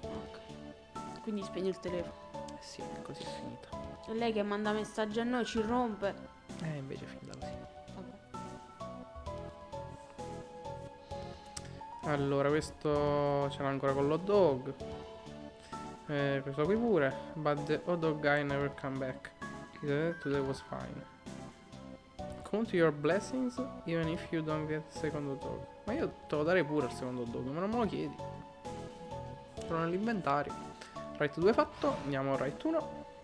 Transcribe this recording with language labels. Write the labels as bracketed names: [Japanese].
[Italian] Okay. Quindi spegni il telefono. Sì, è così finita. È lei che manda messaggi a noi, ci rompe. Invece è finita così. Okay. Allora, questo ce l'ha ancora con l'hot dog. Questo qui pure. [English] But the hot dog guy never come back. He said today was fine. Count your blessings even if you don't get the second hot dog. [Italian] Ma io te lo darei pure il secondo hot dog, ma non me lo chiedi. Sono nell'inventario. Right 2 fatto, andiamo a right 1.